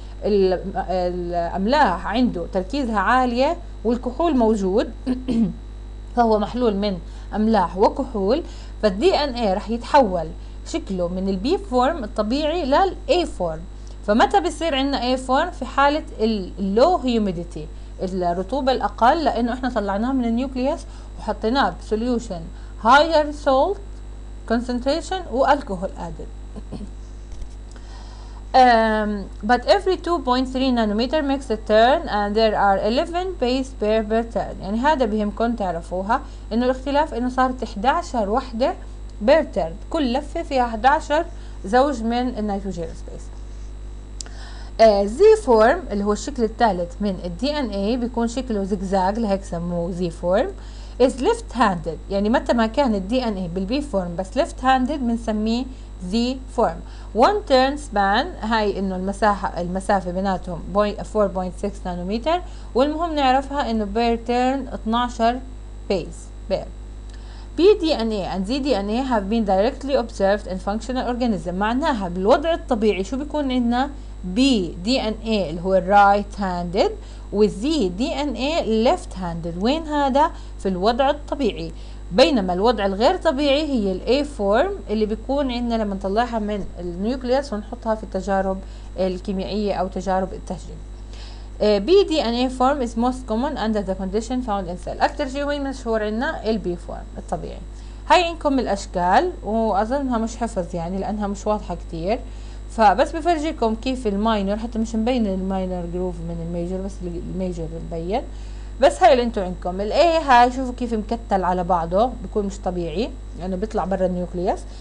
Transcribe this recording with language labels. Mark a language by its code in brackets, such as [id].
[ar] الاملاح عنده تركيزها عاليه والكحول موجود فهو محلول من املاح وكحول، فالدي ان اي رح يتحول شكله من البي فورم الطبيعي للاي فورم. فمتى بصير عندنا اي فورم؟ في حاله اللو هيوميديتي، الرطوبه الاقل، لانه احنا طلعناه من النيوكليوس وحطيناه بسوليوشن هاير سولت كونسنتريشن والكحول ادد. [en] But every 2.3 nanometer makes a turn and there are 11 base pair per turn. [ar] يعني هذا بهمكم تعرفوها انه الاختلاف انه صارت 11 وحدة per turn، كل لفة فيها 11 زوج من النيتروجين سبيس. Z form اللي هو الشكل الثالث من الدي ان اي بيكون شكله زجزاج، لهيك سموه Z form، [en] is left handed. [ar] يعني متى ما كان الدي ان اي بالبي فورم بس left handed بنسميه Z form. [en] One turn span، [ar] هاي انه المساحة المسافة بيناتهم 4.6 نانومتر، والمهم نعرفها انه بير تيرن 12 بيز بير. [en] PDNA and ZDNA have been directly observed in functional organism، [ar] معناها بالوضع الطبيعي شو بيكون عندنا؟ BDNA اللي هو right handed وZDNA left handed. وين هذا؟ في الوضع الطبيعي، بينما الوضع الغير طبيعي هي الـ A form اللي بيكون عندنا لما نطلعها من النيوكليوس ونحطها في التجارب الكيميائية أو تجارب التهجين. [en] BDNA form is most common under the condition found in cell. [ar] أكثر شيء وين مشهور عندنا؟ الـ B form الطبيعي. هاي عندكم الأشكال وأظنها مش حفظ يعني لأنها مش واضحة كتير، فبس بفرجيكم كيف الماينر، حتى مش مبين الماينر جروف من الميجر، بس الميجر مبين. بس هاي اللي انتو عندكم الـ A، هاي شوفوا كيف مكتل على بعضه بيكون مش طبيعي يعني بيطلع برا النيوكليوس.